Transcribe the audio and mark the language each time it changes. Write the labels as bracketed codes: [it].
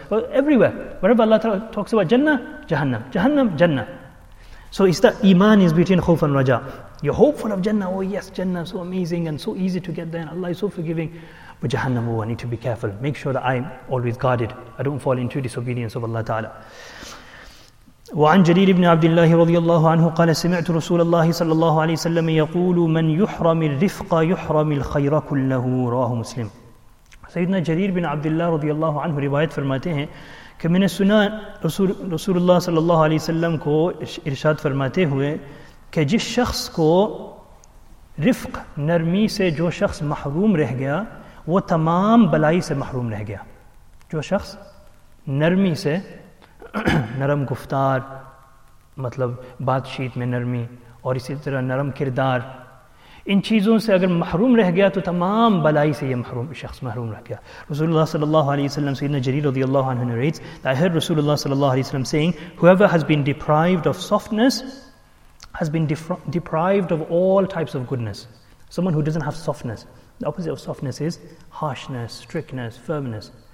[en] But everywhere, wherever Allah Ta'ala talks about Jannah, Jahannam, Jahannam, Jannah. So it's that iman is between khawf and raja. You're hopeful of Jannah, oh yes, Jannah, so amazing and so easy to get there, and Allah is so forgiving. But Jahannam, oh, I need to be careful. Make sure that I'm always guarded. I don't fall into disobedience of Allah Ta'ala. [ar] وعن جرير بن عبد الله رضي الله عنه قال سمعت رسول الله صلى الله عليه وسلم يقول من يحرم الرفق يحرم الخير كله رواه مسلم. [ur] سيدنا جرير بن عبد الله رضي الله عنه روایت فرماتے ہیں کہ میں نے سنا رسول اللہ صلی اللہ علیہ وسلم کو ارشاد فرماتے ہوئے کہ جس شخص کو رفق نرمی سے جو شخص محروم رہ گیا وہ تمام بلائی سے محروم رہ گیا. جو شخص نرمی سے نرم گفتار مطلب بات چیت میں نرمی اور اسی طرح نرم کردار ان چیزوں سے اگر محروم رہ گیا تو تمام بلائی سے یہ محروم شخص محروم رہ گیا. [ar] رسول اللہ صلی اللہ علیہ وسلم سیدنا جریر رضی اللہ عنہ [en] narrates that I heard [ar] رسول اللہ صلی اللہ علیہ وسلم [en] saying whoever has been deprived of softness has been deprived of all types of goodness. Someone who doesn't have softness, the opposite of softness is harshness, strictness, firmness.